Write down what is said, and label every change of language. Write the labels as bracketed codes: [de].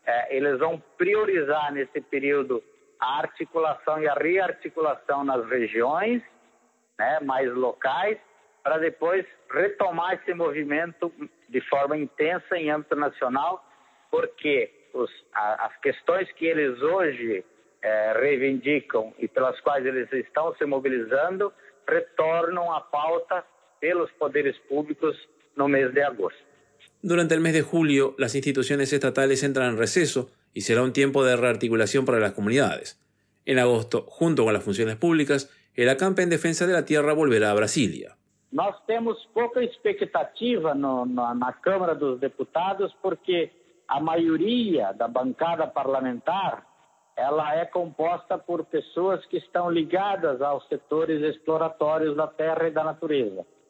[pt] eles vão priorizar nesse período a articulação e a rearticulação nas regiões, né, mais locais, para depois retomar esse movimento de forma intensa em âmbito nacional, porque as questões que eles hoje reivindicam e pelas quais eles estão se mobilizando retornam à pauta pelos poderes públicos no mês de agosto. [es] Durante el mes de julio, las instituciones estatales entran en receso y será un tiempo de rearticulación para las comunidades. En agosto, junto con las funciones públicas, el acampe en defensa de la tierra volverá a Brasilia. [pt] Nós temos pouca expectativa na Câmara dos Deputados, porque a maioria da bancada parlamentar ela é composta por pessoas que estão ligadas aos setores exploratórios da terra e da natureza.